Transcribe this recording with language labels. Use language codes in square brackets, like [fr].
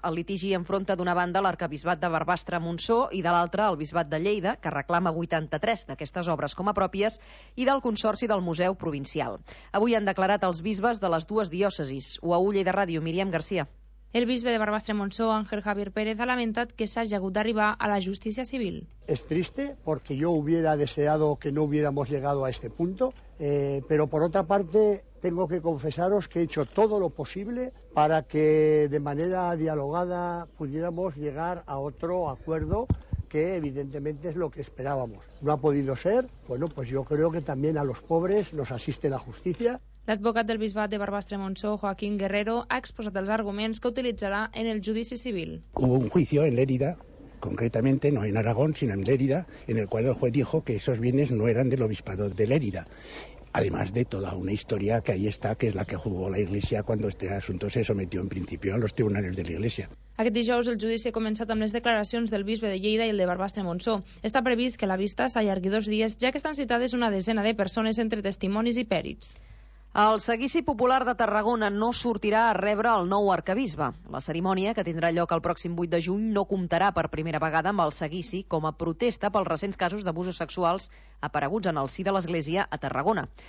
[ca] El litigi enfronta d'una banda l'arcabisbat de Barbastre-Montsó i de l'altra el bisbat de Lleida, que reclama 83 d'aquestes obres com a pròpies, i del Consorci del Museu Provincial. Avui han declarat els bisbes de les dues diòcesis. UAU Lleida Ràdio, Míriam García. El bisbe de Barbastre-Montsó, Ángel Javier Pérez, ha lamentat que s'hagi hagut d'arribar a la justícia civil. [es] Es triste porque yo hubiera deseado que no hubiéramos llegado a este punto, pero por otra parte tengo que confesaros que he hecho todo lo posible para que de manera dialogada pudiéramos llegar a otro acuerdo que evidentemente es lo que esperábamos. No ha podido ser, bueno, pues yo creo que también a los pobres nos asiste la justicia. [ca] L'advocat del bisbat de Barbastre-Montsó, Joaquín Guerrero, ha exposat els arguments que utilitzarà en el judici civil. [es] Hubo un juicio en Lérida, concretamente no en Aragón, sino en Lérida, en el cual el juez dijo que esos bienes no eran del obispado de Lérida. Además de toda una historia que ahí está, que es la que jugó la Iglesia cuando este asunto se sometió en principio a los tribunales de la Iglesia. [ca] Aquest dijous el judici ha començat amb les declaracions del bisbe de Lleida i el de Barbastre-Montsó. Està previst que la vista s'allargui dos dies, ja que estan citades una desena de persones entre testimonis i pèrits. El Seguici Popular de Tarragona no sortirà a rebre el nou arquebisbe. La cerimònia, que tindrà lloc el pròxim 8 de juny, no comptarà per primera vegada amb el Seguici com a protesta pels recents casos d'abusos sexuals apareguts en el si de l'Església a Tarragona.